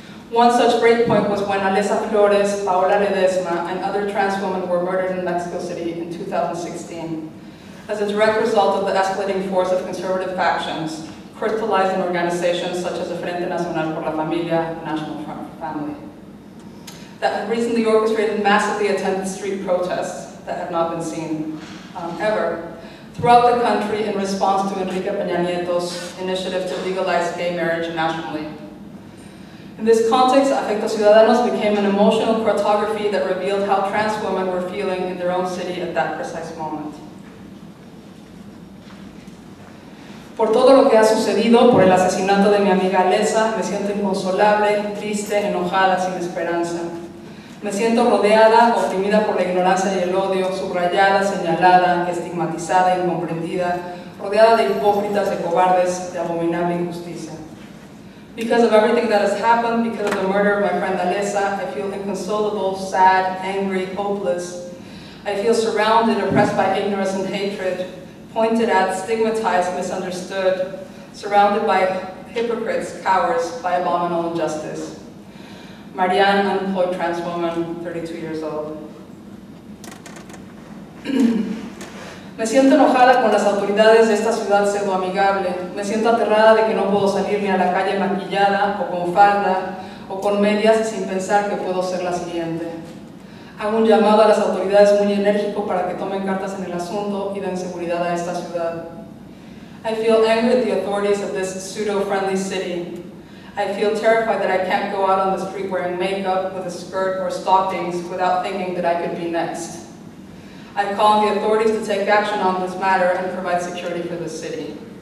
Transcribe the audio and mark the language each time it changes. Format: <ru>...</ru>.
<en>One such breakpoint was when Alessa Flores, Paola Ledesma, and other trans women were murdered in Mexico City in 2016 as a direct result of the escalating force of conservative factions crystallized in organizations such as the Frente Nacional por la Familia, National Front for Family, that had recently orchestrated massively attended street protests that had not been seen ever throughout the country in response to Enrique Peña Nieto's initiative to legalize gay marriage nationally. In this context, Afectxs Ciudadanxs became an emotional cartography that revealed how trans women were feeling in their own city at that precise moment.</en> <es>Por todo lo que ha sucedido, por el asesinato de mi amiga Alessa, me siento inconsolable, triste, enojada, sin esperanza. Me siento rodeada, oprimida por la ignorancia y el odio, subrayada, señalada, estigmatizada, incomprendida, rodeada de hipócritas, de cobardes, de abominable injusticia.</es> <en>Because of everything that has happened, because of the murder of my friend Alessa, I feel inconsolable, sad, angry, hopeless. I feel surrounded, oppressed by ignorance and hatred, pointed at, stigmatized, misunderstood, surrounded by hypocrites, cowards, by abominable injustice. Marianne, unemployed trans woman, 32 years old.</en> <es>Me siento enojada con las autoridades de esta ciudad pseudoamigable. Me siento aterrada de que no puedo salir ni a la calle maquillada, o con falda, o con medias, sin pensar que puedo ser la siguiente. Hago un llamado a las autoridades muy enérgico para que tomen cartas en el asunto y den seguridad a esta ciudad.</es> <en>I feel angry at the authorities of this pseudo-friendly city. I feel terrified that I can't go out on the street wearing makeup with a skirt or stockings without thinking that I could be next. I call on the authorities to take action on this matter and provide security for the city.</en>